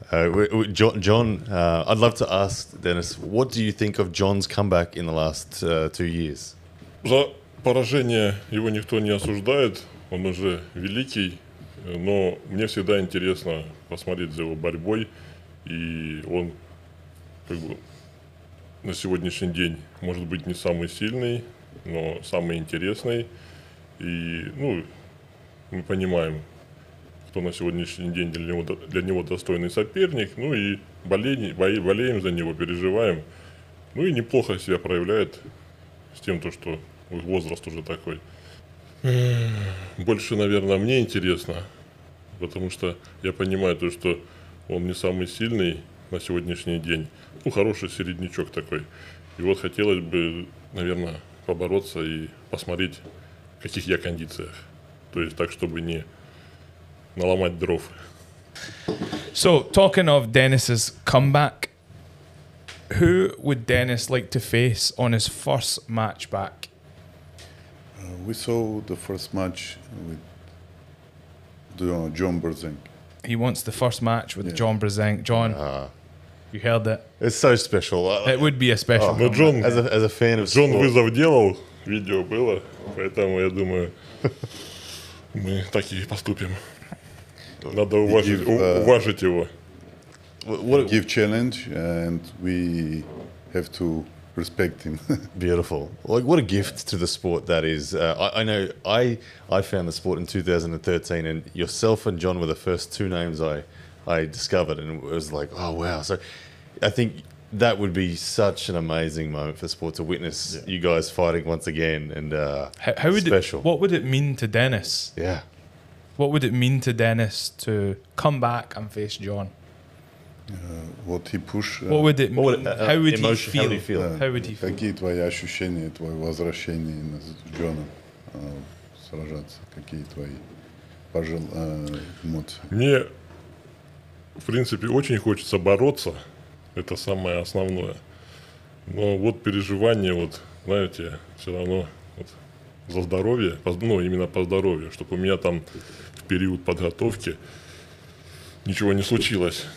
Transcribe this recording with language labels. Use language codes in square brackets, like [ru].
[en] I'd love to ask Denis, what do you think of John's comeback in the last 2 years? [ru] За поражение его никто не осуждает. Он уже великий, но мне всегда интересно посмотреть за его борьбой, и он как бы на сегодняшний день может быть не самый сильный, но самый интересный. И, ну, мы понимаем, кто на сегодняшний день для него достойный соперник, ну и болеем за него, переживаем. Ну и неплохо себя проявляет с тем, то, что возраст уже такой. Больше, наверное, мне интересно, потому что я понимаю то, что он не самый сильный на сегодняшний день. Ну, хороший середнячок такой. И вот хотелось бы, наверное, побороться и посмотреть, в каких я кондициях. То есть так, чтобы не наломать дров. [en] So, talking of Dennis's comeback, who would Denis like to face on his first match back? We saw the first match with John Brzenk. He wants the first match with John Brzenk. John, you heard it. It's so special. It would be a special. But John, as a fan of [ru] John, вызов делал, видео было, поэтому я думаю, мы так и поступим. Надо уважить его. [en] Give challenge, and we have to respect him. Beautiful. Like, what a gift to the sport that is. I know I found the sport in 2013, and yourself and John were the first two names I discovered, and it was like, oh wow. So I think that would be such an amazing moment for the sport to witness you guys fighting once again. And what would it mean to Denis? Yeah. What would it mean to Denis to come back and face John? What would it mean? How would he feel? [ru] Какие твои ощущения, твое возвращение с Джоном сражаться? Какие твои эмоции? Мне, в принципе, очень хочется бороться. Это самое основное. Но вот переживание, вот, знаете, все равно вот, за здоровье, именно по здоровью, чтобы у меня там в период подготовки ничего не случилось.